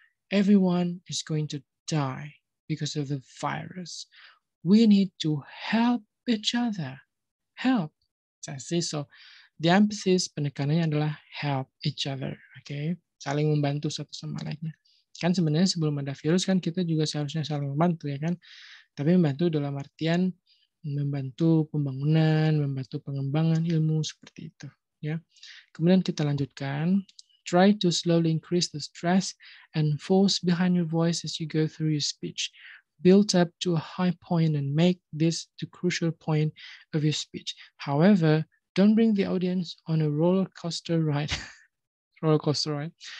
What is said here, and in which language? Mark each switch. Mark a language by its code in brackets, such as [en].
[en] Everyone is going to die because of the virus. We need to help each other. Help. So the emphasis, [id] penekanannya adalah [en] help each other. Okay? [id] Saling membantu satu sama lainnya. Kan sebenarnya sebelum ada virus kan kita juga seharusnya saling membantu ya kan. Tapi membantu dalam artian membantu pembangunan, membantu pengembangan ilmu seperti itu. Ya. Kemudian kita lanjutkan. [en] Try to slowly increase the stress and force behind your voice as you go through your speech. Build up to a high point and make this the crucial point of your speech. However, don't bring the audience on a roller coaster ride. Roller coaster ride.